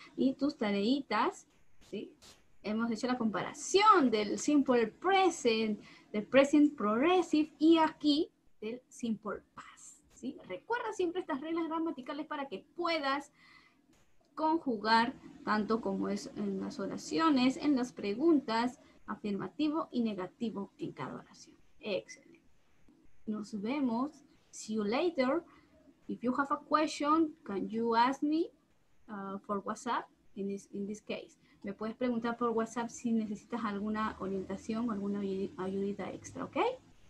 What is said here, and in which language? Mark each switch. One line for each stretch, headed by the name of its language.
Spanish: Y tus tareitas, ¿sí? Hemos hecho la comparación del simple present, del present progressive y aquí del simple past, ¿sí? Recuerda siempre estas reglas gramaticales para que puedas conjugar tanto como es en las oraciones, en las preguntas, afirmativo y negativo en cada oración. Excelente. Nos vemos.
English: See you later. If you have a question, can you ask me for WhatsApp in this case?
Spanish: Me puedes preguntar por WhatsApp si necesitas alguna orientación o alguna ayudita extra, ¿ok?